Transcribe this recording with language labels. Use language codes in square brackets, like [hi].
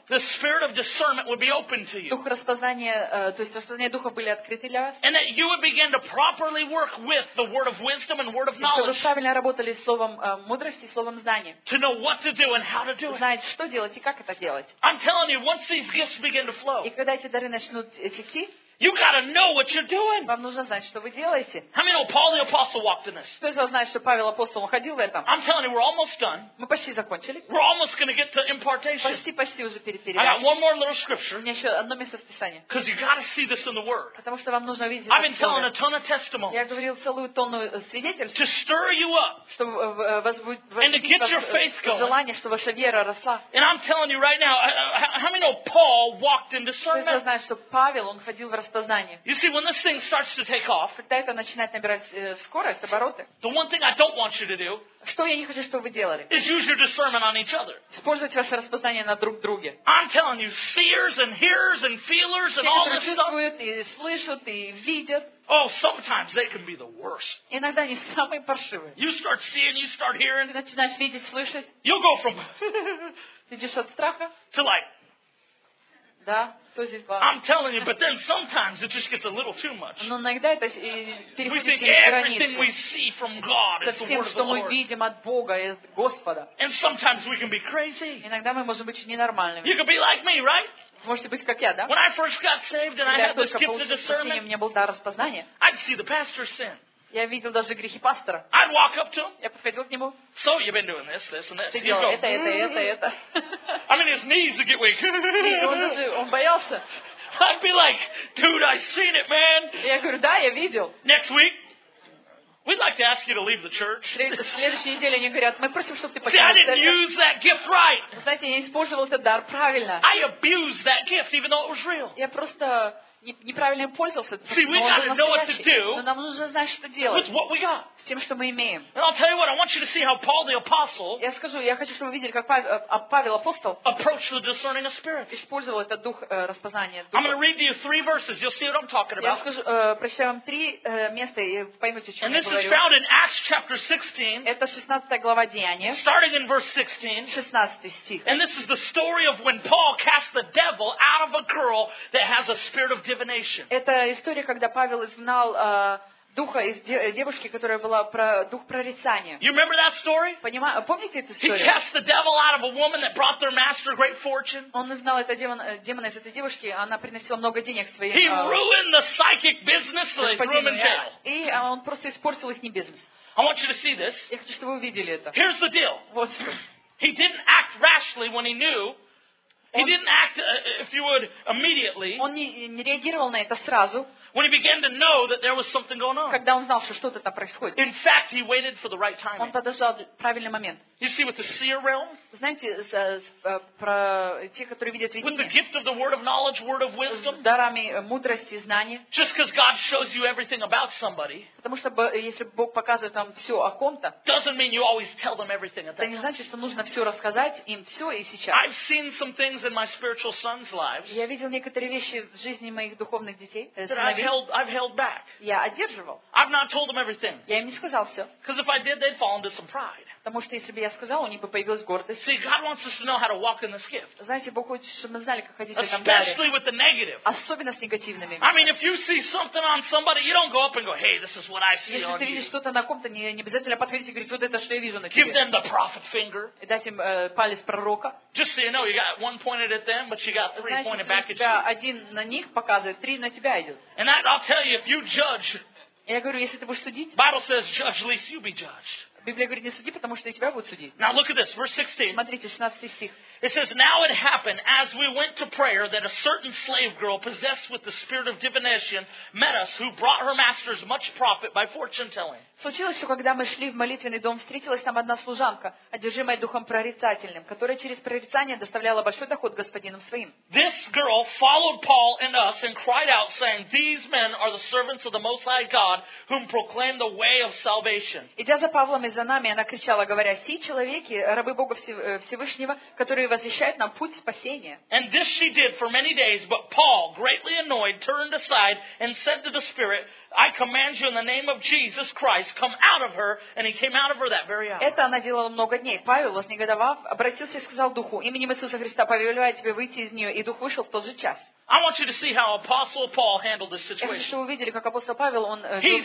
[en] the Spirit of discernment would be open to you. [ru] Дух распознания, то есть распознание Духа были открыты для вас. [en] And that you would begin to properly work with the Word of wisdom and Word of knowledge. [ru] Чтобы вы правильно работали словом мудрости, словом знания. [en] To know what to do and how to do it. [ru] Знать, что делать и как это делать. [en] I'm telling you, once these gifts begin to flow. [ru] И когда эти дары начнут течь. [en] You gotta know what you're doing. [ru] Вам нужно знать, что вы делаете. [en] How many know Paul the apostle walked in this? [ru] Кто из вас знает, что Павел апостол ходил в этом? [en] I'm telling you, we're almost done. [ru] Мы почти закончили. [en] We're almost gonna get to impartation. [ru] Почти уже передача. [en] I got one more little scripture. [ru] У меня еще одно место в Писании. [en] Because you gotta see this in the Word. [ru] Потому что вам нужно видеть. [en] I've been telling a ton of testimonies. [ru] Я говорил целую тонну свидетельств. [en] To stir you up. [ru] Чтобы вас [en] and to get your faith going. [ru] Желание, чтобы ваша вера росла. [en] And I'm telling you right now, how many know Paul walked in discernment? [ru] Кто из вас знает, что Павел он ходил в [en] You see, when this thing starts to take off, [ru] когда это начинает набирать скорость, обороты, [en] the one thing I don't want you to do, [ru] что я не хочу, чтобы вы делали, [en] is use your discernment on each other. [ru] Использовать ваше распознание на друг друге. [en] I'm telling you, seers and hearers and feelers and all this stuff. [ru] Все, которые чувствуют и слышат и видят. [en] Oh, sometimes they can be the worst. [ru] Иногда они самые паршивые. [en] You start seeing, you start hearing. [ru] Ты начинаешь видеть, слышать. [en] You'll go from. [ru] Ты идешь от страха. [en] To like. [ru] Да. [en] I'm telling you, but then sometimes it just gets a little too much. [ru] Но иногда это переходит через границу. [en] We think everything we see from God is the word of the Lord. [ru] Мы видим от Бога и Господа. [en] And sometimes we can be crazy. [ru] Иногда мы можем быть ненормальными. [en] You could be like me, right? [ru] Можете быть как я, да? [en] When I first got saved and I had this gift of discernment, [ru] у меня был дар распознания. [en] I'd see the pastor's sin. [ru] Я видел даже грехи пастора. [en] I'd walk up to him. [ru] Я подходил к нему. [en] So you've been doing this, this, and this. [ru] Ты делал это. [en] I mean, his knees would get weak. [ru] Он боялся. [en] I'd be like, dude, I seen it, man. [ru] Я говорю, да, я видел. [en] Next week, we'd like to ask you to leave the church. [ru] Следующей неделе они говорят, мы просим, чтобы ты покинул церковь. [en] See, I didn't use that gift right. [ru] Знаете, я использовал этот дар правильно. [en] I abused that gift, even though it was real. [ru] Я просто неправильно пользовался. [en] See, we gotta know what to do. [ru] Но нам нужно знать, что делать. [en] With what we got. [ru] С тем, что мы имеем. [en] And I'll tell you what, I want you to see how Paul the apostle. [ru] Я скажу, я хочу, чтобы вы видели, как Павел апостол. [en] Approached the discerning of spirits. [ru] Использовал этот дух распознания. [en] I'm gonna read to you three verses. You'll see what I'm talking about. [ru] Я скажу, прочитаю вам три места и поймете, о чем я говорю. [en] And this is found in Acts chapter 16. [ru] Это 16 глава Деяния. [en] Starting in verse 16. [ru] 16 стих. [en] And this is the story of when Paul cast the devil out of a girl that has a spirit of divination. [ru] Это история, когда Павел изгнал духа из девушки, которая была про дух прорицания. [en] You remember that story? [ru] Помните эту историю? [en] He cast the devil out of a woman that brought their master great fortune. [ru] Он изгнал этого демона из этой девушки, она приносила много денег своим. [en] He ruined the psychic business, like threw him in jail. [ru] И он просто испортил их бизнес. [en] I want you to see this. [ru] Я хочу, чтобы вы видели это. [en] Here's the deal. [ru] Вот. [en] He didn't act rashly when he knew. He didn't act, if you would, immediately. [ru] Он не реагировал на это сразу. [en] When he began to know that there was something going on. [ru] Когда он знал, что что-то там происходит. [en] In fact, he waited for the right time. [ru] Он подождал правильный момент. [en] You see, with the seer realm. [ru] Знаете, про те, которые видят видение. [en] With the gift of the word of knowledge, word of wisdom. [ru] Дарами мудрости, знания. [en] Just because God shows you everything about somebody. [ru] Потому что если Бог показывает там все о ком-то. [en] Doesn't mean you always tell them everything at that time. [ru] Это не значит, что нужно все рассказать им все и сейчас. [en] I've seen some things in my spiritual sons' lives. [ru] Я видел некоторые вещи в жизни моих духовных детей. [en] I've held back. [ru] Я одерживал. [en] I've not told them everything. [ru] Я им не сказал все. [en] Because if I did, they'd fall into some pride. [ru] Потому что если бы я сказала, у них бы появилась гордость. [en] See, God wants us to know how to walk in this gift. [ru] Знаете, Бог хочет, чтобы мы знали, как ходить в этом даре. [en] Especially with the negative. [ru] Особенно с негативными. [en] I mean, if you see something on somebody, you don't go up and go, "Hey, this is what I see on you." [ru] Если ты видишь что-то на ком-то, не обязательно подходить и говорить, вот это что я вижу на тебе. [en] Give them the prophet finger. [ru] И дать им палец пророка. [en] Just so you know, you got one pointed at them, but you got three pointed back at you. [ru] Знаете, один на них показывает, три на тебя идет. [en] And I'll tell you, if you judge. [ru] Я говорю, если ты будешь судить. [en] Bible says, "Judge, lest you be judged." [ru] Библия говорит, не суди, потому что и тебя будут судить. [en] Now look at this, verse 16. [ru] Смотрите, 16 стих. [en] It says, "Now it happened as we went to prayer that a certain slave girl possessed with the spirit of divination met us, who brought her masters much profit by fortune telling." [ru] Случилось, что когда мы шли в молитвенный дом, встретилась там одна служанка, одержимая духом прорицательным, которая через прорицание доставляла большой доход господинам своим. [en] This girl followed Paul and us and cried out, saying, "These men are the servants of the Most High God, whom proclaim the way of salvation." [ru] Идя за Павлом и за нами, она кричала, говоря: "Сии человеки, рабы Бога Всевышнего, которые возвещают нам путь спасения." [en] And this she did for many days, but Paul, greatly annoyed, turned aside and said to the Spirit, "I command you in the name of Jesus Christ, come out of her," and he came out of her that very hour. [ru] Это она делала много дней. Павел, вознегодовав, обратился и сказал духу: "Именем Иисуса Христа повелеваю тебе выйти из нее", и дух вышел в тот же час. [en] I want you to see how Apostle Paul handled this situation. [ru] Я хочу, чтобы вы видели, как апостол Павел, он в этой